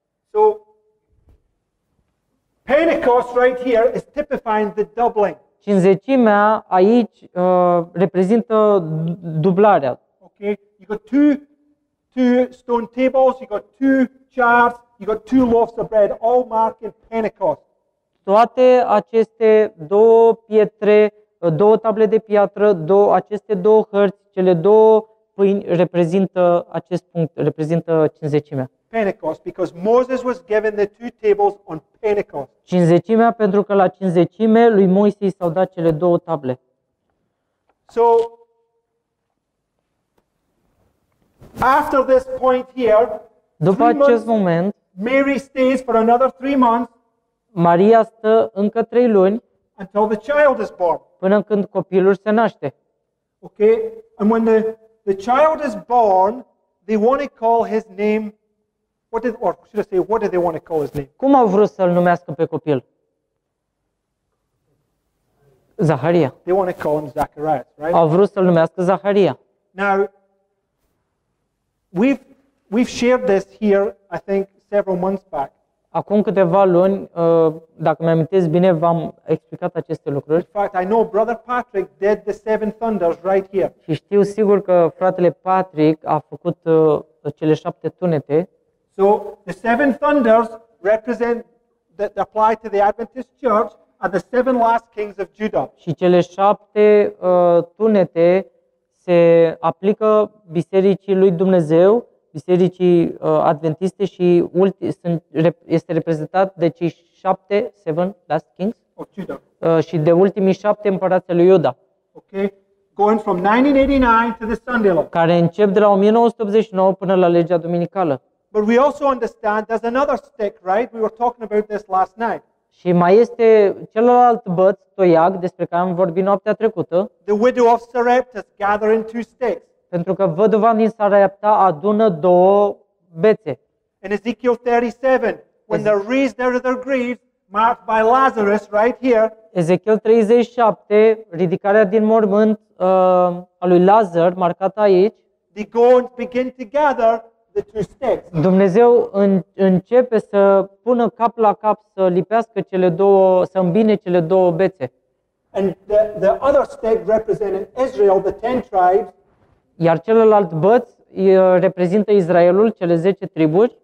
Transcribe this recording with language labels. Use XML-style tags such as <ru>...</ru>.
<en>So Pentecost right here is typifying the doubling.</en> <ro>Cinzecimea aici reprezintă dublarea.</ro> <en>Okay, you got two stone tables, you got two jars, you got two loaves of bread, all marking Pentecost.</en> <ro>Toate aceste două pietre, două table de piatră, aceste două hărți, cele două pâini reprezintă acest punct, reprezintă cinzecimea.</ro> <en>Pentecost, because Moses was given the two tables on Pentecost.</en> <ro>Cinzecimea, pentru că la cinzecime lui Moise s-au dat cele două table.</ro> <en>So after this point here,</en> <ro>după acest moment,</ro> <en>Mary stays for another 3 months.</en> <ro>Maria stă încă 3 luni</ro> <en>until the child is born.</en> <ro>Până când copilul se naște.</ro> <en>Okay, and when the child is born, they want to call his name. What do they want to call his name?</en> <ro>Cum au vrut să-l numească pe copil? Zaharia.</ro> <en>They want to call him Zacharias, right?</en> <ro>Au vrut să-l numească Zaharia.</ro> <en>Now, we've shared this here, I think, several months back.</en> <ro>Acum câteva luni, dacă mi-amintesc bine, v-am explicat aceste lucruri.</ro> <en>In fact, I know brother Patrick did the seven thunders right here.</en> <ro>Și știu sigur că fratele Patrick a făcut cele șapte tunete.</ro> <en>So the seven thunders represent that apply to the Adventist Church are the seven last kings of Judah.</en> <ro>Și cele șapte tunete se aplică bisericii lui Dumnezeu. Bisericii adventiste și este reprezentat de cei șapte,</ro> <en>seven last kings, of Judah.</en> <ro>Și de ultimii șapte împărați lui Iuda.</ro> <en>Okay. going from 1989 to the Sunday law.</en> <ro>Care încep de la 1989 până la legea duminicală.</ro> <en>But we also understand there's another stick, right? We were talking about this last night.</en> <ro>Și mai este celălalt băț, toiac, despre care am vorbit noaptea trecută.</ro> <en>The widow of Sarepta is gathering two sticks.</en> <ro>Pentru că văduva din Sarepta adună două bețe.</ro> <en>In Ezekiel 37, when they're raised out of their graves, marked by Lazarus right here.</en> <ro>Ezekiel 37, ridicarea din mormânt a lui Lazar, marcată aici.</ro> <en>They go and begin to gather the two sticks.</en> <ro>Dumnezeu începe să pună cap la cap, să lipească cele două, să îmbine cele două bețe.</ro> <en>And the other stick represented Israel, the 10 tribes.</en> <ro>Iar celălalt băț reprezintă Israelul, cele 10 triburi.</ro>